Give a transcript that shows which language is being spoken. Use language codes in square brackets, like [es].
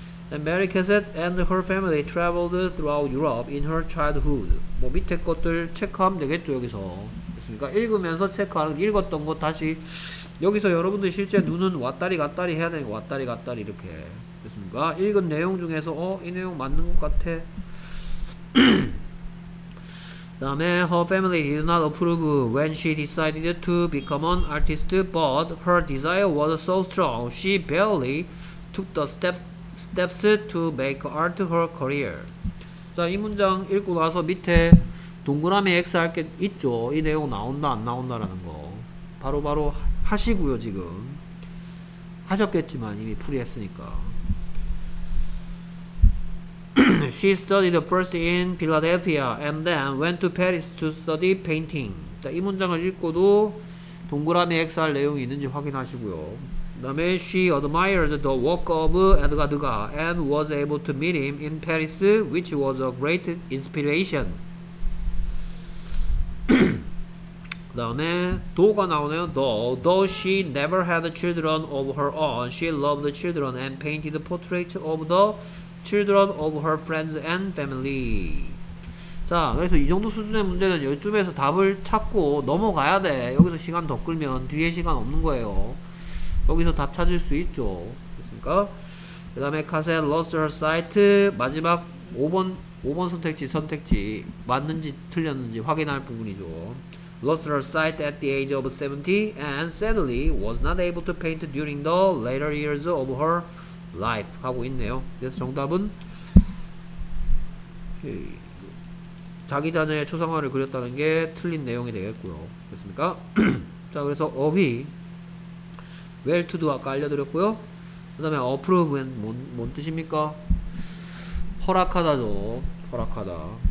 [en] And Mary Cassette and her family traveled throughout Europe in her childhood. [ko] 뭐 밑에 것들 체크하면 되겠죠 여기서. 됐습니까? 읽으면서 체크하는 읽었던 것 다시 여기서 여러분들 실제 눈은 왔다리 갔다리 해야 되니까 왔다리 갔다리 이렇게. 됐습니까? 읽은 내용 중에서 이 내용 맞는 것 같아. 다음에 [en] her family did not approve when she decided to become an artist, but her desire was so strong she barely took the steps to make art her career. [ko] 자, 이 문장 읽고 나서 밑에 동그라미 X 할 게 있죠. 이 내용 나온다 안 나온다라는 거 바로 하시고요. 지금 하셨겠지만 이미 풀이했으니까. [en] She studied first in Philadelphia and then went to Paris to study painting. [ko] 자, 이 문장을 읽고도 동그라미 X 할 내용이 있는지 확인하시고요. 그 다음에 [en] she admired the work of Edgar Degas and was able to meet him in Paris, which was a great inspiration. [ko] 그 다음에 도가 나오네요. [en] Though she never had children of her own, she loved children and painted portraits of the children of her friends and family. [ko] 자, 그래서 이 정도 수준의 문제는 여기쯤에서 답을 찾고 넘어가야 돼. 여기서 시간 더 끌면 뒤에 시간 없는 거예요. 여기서 답 찾을 수 있죠. 됐습니까? 그 다음에 [en] Cassette lost her sight. [ko] 마지막 5번 선택지 맞는지 틀렸는지 확인할 부분이죠. [en] Lost her sight at the age of 70 and sadly was not able to paint during the later years of her life [ko] 하고 있네요. 그래서 정답은 자기 자녀의 초상화를 그렸다는 게 틀린 내용이 되겠고요. 됐습니까? 자, 그래서 어휘 well to do 아까 알려드렸고요. 그 다음에 approve 뭔 뜻입니까? 허락하다죠. 허락하다.